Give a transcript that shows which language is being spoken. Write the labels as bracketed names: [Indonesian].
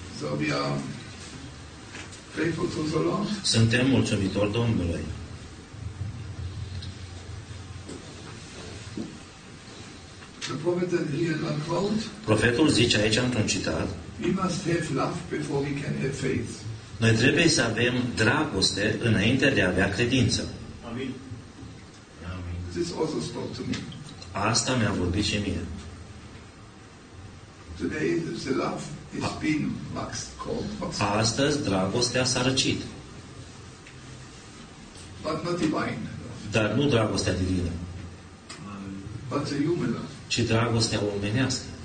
[English] So we are grateful to the Lord. [Romanian] Suntem mulțumitori Domnului. [English] The prophet here in quote. [Romanian] Profetul zice aici într-un citat. [English] We must have love before we can have faith. [Romanian] Noi trebuie să avem dragoste înainte de a avea credință. [English] Amin. This also spoke to me. [Romanian] Asta mi-a vorbit și mie. [English] Today the love is being maxed, called. [Romanian] Astăzi dragostea s-a răcit. [English] But not divine. [Romanian] Dar nu dragostea divină. [English] But the human love. [Romanian] Ci dragostea omenească.